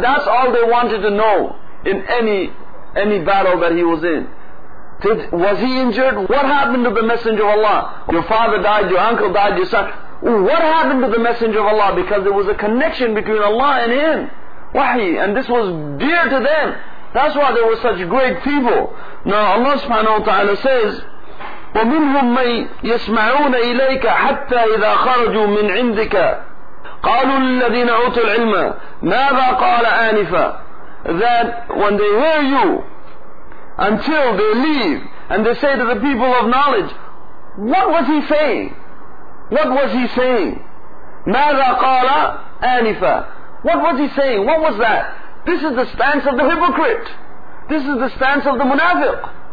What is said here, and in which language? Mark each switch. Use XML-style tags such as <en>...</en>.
<en>That's all they wanted to know in any battle that he was in. Was he injured? What happened to the Messenger of Allah? Your father died, your uncle died, your son. What happened to the Messenger of Allah? Because there was a connection between Allah and him. Wahi. And this was dear to them. That's why they were such great people. Now Allah subhanahu wa ta'ala says,</en> <ar>وَمِنْهُمْ مَنْ يَسْمَعُونَ إِلَيْكَ حَتَّى إِذَا خَرَجُوا مِنْ عِنْدِكَ قَالُوا لِلَّذِينَ أُوتُوا الْعِلْمَ مَاذَا قَالَ آنِفًا.</ar> <en>That when they hear you, until they leave, and they say to the people of knowledge, what was he saying? What was he saying?</en> <ar>مَاذَا قَالَ آنِفًا.</ar> <en>What was he saying? What was that? This is the stance of the hypocrite. This is the stance of the munafiq.</en>